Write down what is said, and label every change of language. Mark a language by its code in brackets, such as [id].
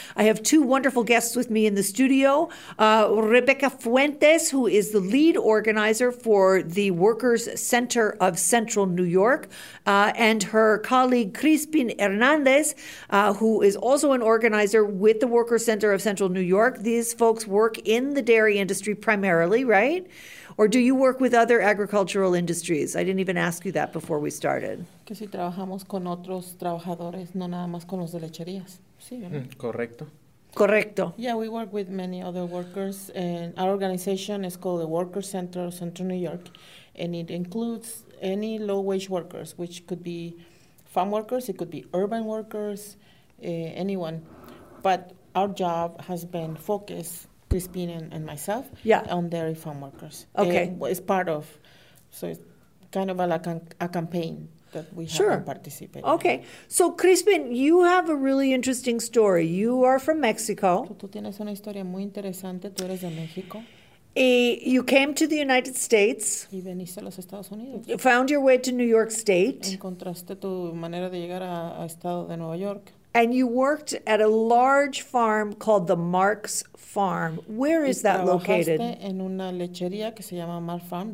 [en] I have two wonderful guests with me in the studio. Rebecca Fuentes, who is the lead organizer for the Workers Center of Central New York, and her colleague, Crispin Hernandez, who is also an organizer with the Workers Center of Central New York. These folks work in the dairy industry primarily, right? Or do you work with other agricultural industries? I didn't even ask you that before we started. [es] Que si trabajamos con otros trabajadores, no nada más con los de lecherías. Sí, correcto. Correcto. [en] Yeah, we work with many other workers. And our organization is called the Workers Center of Central New York. And it includes any low-wage workers, which could be farm workers, it could be urban workers, anyone. But our job has been focused, Crispin and myself, on dairy farm workers. Okay. It's part of, so it's kind of like a campaign that we sure. have participated in. Okay. So, Crispin, you have a really interesting story. You are from Mexico. [es] Tú tienes una historia muy interesante. Tú eres de México. [en] You came to the United States. [es] Y veniste a los Estados Unidos. [en] You found your way to New York State. [es] Encontraste tu manera de llegar a estado de Nueva York. [en] And you worked at a large farm called the Marks Farm. Where is that located? [es] En una lechería que se llama Marks Farm.